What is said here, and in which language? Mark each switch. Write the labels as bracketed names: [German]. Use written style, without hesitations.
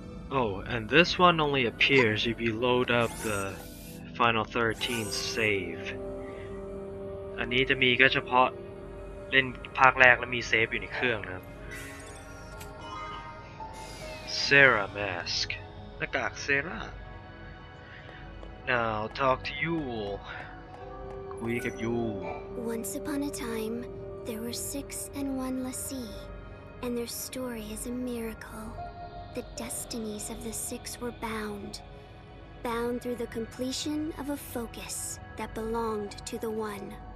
[English] Oh, and this one only appears if you load up the final 13 save. [Thai] อันนี้จะมีก็เฉพาะเล่นภาคแรกแล้วมีเซฟอยู่ในเครื่องนะครับ Sarah mask. หน้ากากเซร่า [English] Now talk to Yule. [Thai] คุยกับ Yule. [English] Once upon a time, there were 6 and 1 lassie, and their story is a miracle. The destinies of the six were bound through the completion of a focus that belonged to the one.